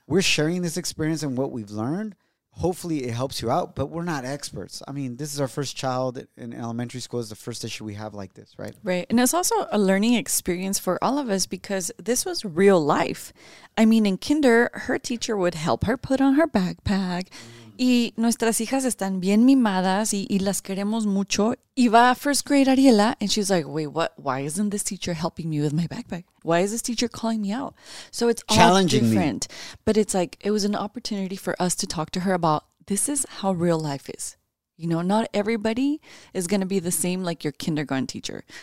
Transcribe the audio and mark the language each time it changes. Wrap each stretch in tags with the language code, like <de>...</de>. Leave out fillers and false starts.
<en>We're sharing this experience and what we've learned. Hopefully it helps you out, but we're not experts. I mean, this is our first child in elementary school. It's the first issue we have like this, right? Right. And it's also a learning experience for all of us because this was real life. I mean, in kinder, her teacher would help her put on her backpack.</en> <es>Mm. Y nuestras hijas están bien mimadas y las queremos mucho. Y va a</es> <en>first grade Ariela and she's like, wait, what? Why isn't this teacher helping me with my backpack? Why is this teacher calling me out? So it's challenging all different. Me. But it's like, it was an opportunity for us to talk to her about, this is how real life is. You know, not everybody is going to be the same like your kindergarten teacher.</en>